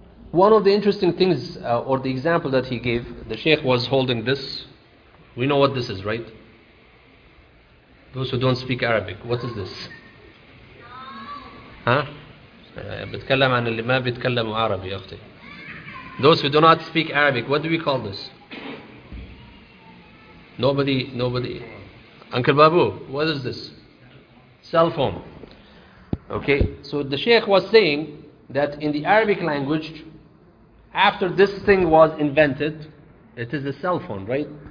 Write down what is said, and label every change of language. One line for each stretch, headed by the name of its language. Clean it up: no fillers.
English: One of the interesting things or the example that he gave, the Sheikh was holding this. We know what this is, right? Those who don't speak Arabic, what is this?
Arabic: بتكلم عن اللي ما بيتكلموا عربي أختي.
English: Those who do not speak Arabic, what do we call this? Nobody. Uncle Babu, what is this? Cell phone. Okay, so the Sheikh was saying that in the Arabic language, after this thing was invented, it is a cell phone, right?